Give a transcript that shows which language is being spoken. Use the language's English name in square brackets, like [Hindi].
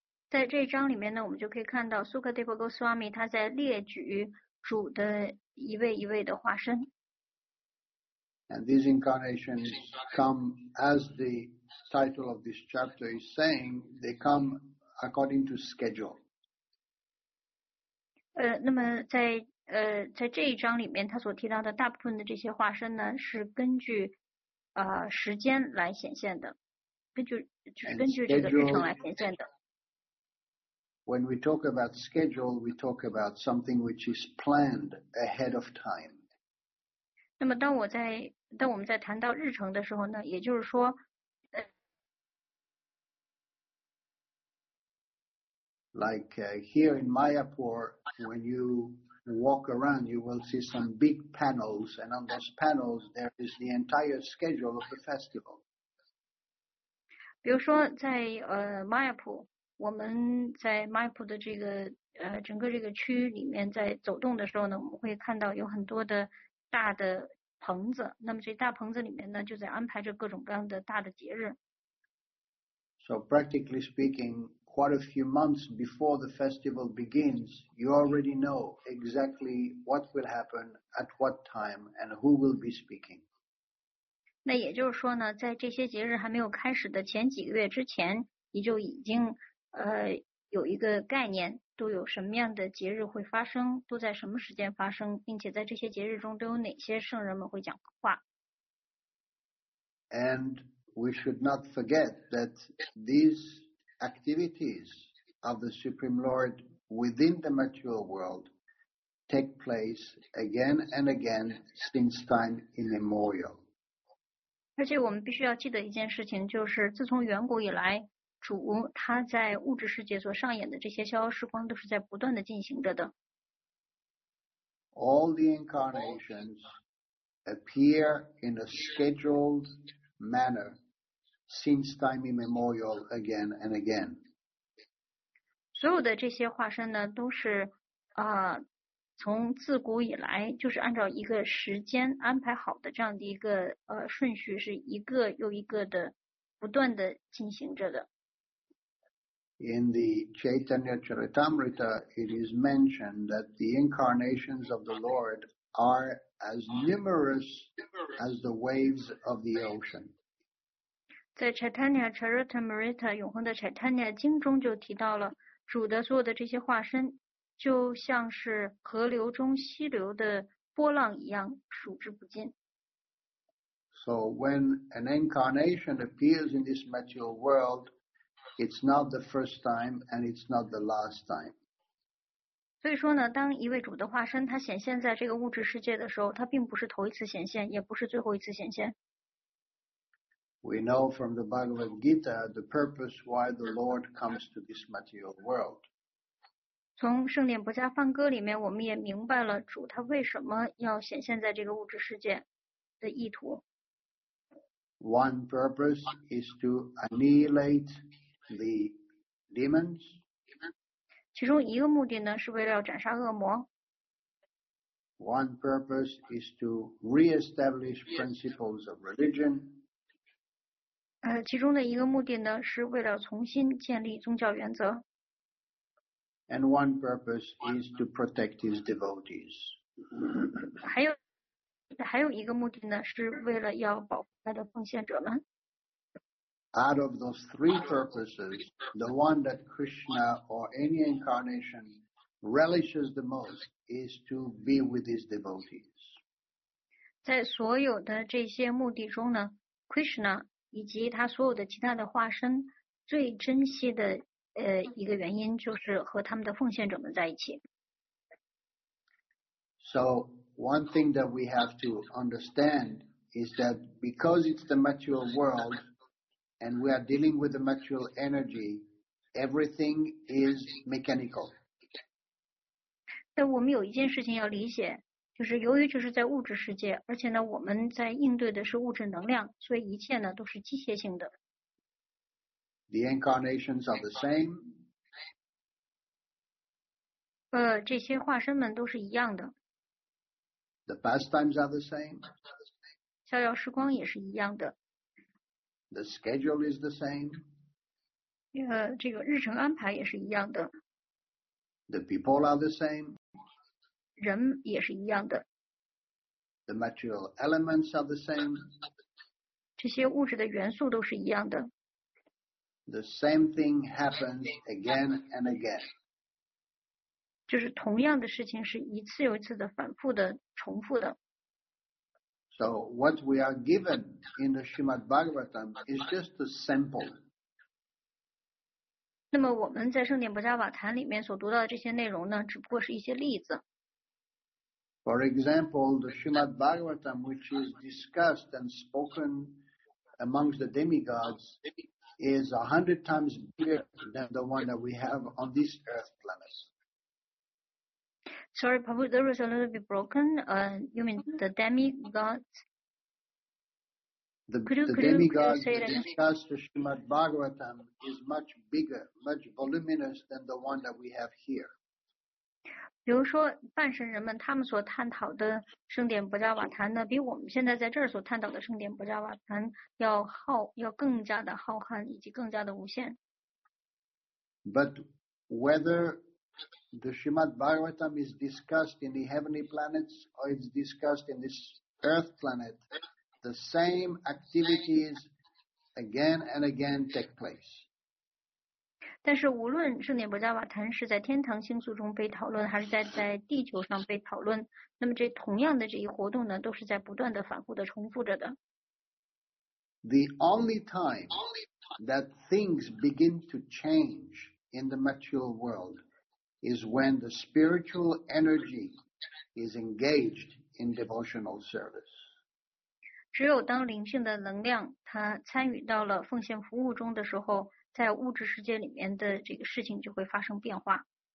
[Chinese] 在这一章里面呢，我们就可以看到 Sukadeva Goswami 他在列举主的一位一位的化身。 [English] And these incarnations come, as the title of this chapter is saying, they come according to schedule. [Chinese] 那么在在这一章里面，他所提到的大部分的这些化身呢，是根据时间来显现的，根据这个日程来显现的。 [English] When we talk about schedule, we talk about something which is planned ahead of time. [Chinese] 那么当我们在谈到日程的时候呢，也就是说， [English] here in Mayapur, when you walk around, you will see some big panels, and on those panels there is the entire schedule of the festival. [Chinese] 比如说在Mayapur, 我们在 Mayapur 的这个整个这个区域里面在走动的时候呢，我们会看到有很多的大的棚子，那么这大棚子里面呢，就在安排着各种各样的大的节日。 [English] So practically speaking, quite a few months before the festival begins, you already know exactly what will happen at what time and who will be speaking. [Chinese] 那也就是说呢，在这些节日还没有开始的前几个月之前，你就已经有一个概念，都有什么样的节日会发生，都在什么时间发生，并且在这些节日中都有哪些圣人们会讲话。 [English] And we should not forget that these activities of the Supreme Lord within the material world take place again and again since time immemorial. [Chinese] 而且我们必须要记得一件事情，就是自从远古以来，主他在物质世界所上演的这些逍遥时光都是在不断的进行着的。 [English] All the incarnations appear in a scheduled manner since time immemorial again and again. [Chinese] 所有的这些化身呢，都是从自古以来就是按照一个时间安排好的这样的一个顺序，是一个又一个的不断的进行着的。 [English] In the Chaitanya Charitamrita, it is mentioned that the incarnations of the Lord are as numerous as the waves of the ocean. [Chinese] 在 Chaitanya Charitamrita 永恒的 Chaitanya 经中就提到了，主的所有的这些化身就像是河流中溪流的波浪一样，数之不尽。 [English] So when an incarnation appears in this material world,It's not the first time, and it's not the last time. [Chinese] 所以说呢，当一位主的化身他显现在这个物质世界的时候，他并不是头一次显现，也不是最后一次显现。 [English] We know from the Bhagavad Gita the purpose why the Lord comes to this material world. [Chinese] 从圣典薄伽梵歌里面，我们也明白了主他为什么要显现在这个物质世界的意图。 [English] One purpose is to annihilate. The demons. [Chinese] 其中一个目的呢，是为了要斩杀恶魔。 [English] One purpose is to re-establish principles of religion. [Chinese] 其中的一个目的呢，是为了重新建立宗教原则。 [English] And one purpose is to protect his devotees. [Chinese] 还有一个目的呢，是为了要保护他的奉献者们。 [English] Out of those three purposes, the one that Krishna or any incarnation relishes the most is to be with his devotees. [Chinese] 在所有的这些目的中呢， Krishna 以及他所有的其他的化身最珍惜的一个原因就是和他们的奉献者们在一起。 [English] So one thing that we have to understand is that because it's the material world,And we are dealing with the material energy. Everything is mechanical. [Chinese] 但我们有一件事情要理解，就是由于这是在物质世界，而且呢，我们在应对的是物质能量，所以一切呢都是机械性的。 [English] The incarnations are the same. [Chinese] 这些化身们都是一样的。 [English] The pastimes are the same. [Chinese] 逍遥时光也是一样的。 [English] The schedule is the same. [Chinese] 这个日程安排也是一样的。 [English] The people are the same. [Chinese] 人也是一样的。 [English] The material elements are the same. [Chinese] 这些物质的元素都是一样的。 [English] The same thing happens again and again. [Chinese] 就是同样的事情是一次又一次的反复的重复的。 [English] So what we are given in the Srimad Bhagavatam is just a sample. [Chinese] 那么我们在圣典薄伽瓦坛里面所读到的这些内容呢，只不过是一些例子。 [English] For example, the Srimad Bhagavatam, which is discussed and spoken amongst the demigods, is 100 times bigger than the one that we have on this earth planet. Sorry, Prabhu, there was a little bit broken. You mean the demigods? The demigods discussed the Srimad Bhagavatam is much bigger, much voluminous than the one that we have here. [Chinese] 比如说半神人们他们所探讨的圣典薄伽瓦坛呢，比我们现在在这儿所探讨的圣典薄伽瓦坛要更加的浩瀚以及更加的无限。 [English] But whether the Srimad Bhagavatam is discussed in the heavenly planets or it's discussed in this earth planet, the same activities again and again take place. [Chinese] 但是无论圣典薄伽瓦坛是在天堂星宿中被讨论还是在地球上被讨论，那么这同样的这一活动呢，都是在不断的反复的重复着的。 [English] The only time that things begin to change in the material world is when the spiritual energy is engaged in devotional service. [Chinese] 只有当灵性的能量它参与到了奉献服务中的时候，在物质世界里面的这个事情就会发生变化。